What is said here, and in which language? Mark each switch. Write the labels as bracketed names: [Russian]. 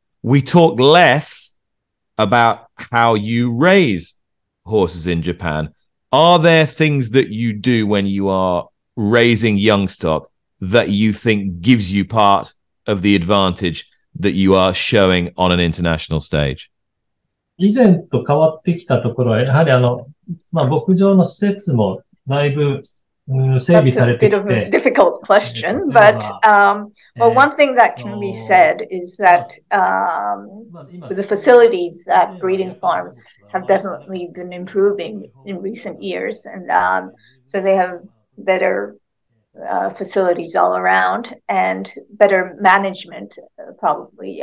[English] We talk less about how you raise horses in Japan. Are there things that you do when you are raising young stock that you think gives you part of the advantage that you are showing on an international stage? [Japanese] 以前と変わってきたところは、やはりまあ、牧場の施設もだいぶ、整備されてきて。 [English] That's a bit of a difficult question, but, well, one thing that can be said is that, the facilities at breeding farms have definitely been improving in recent years, and, so they have better, facilities all around and better management, probably.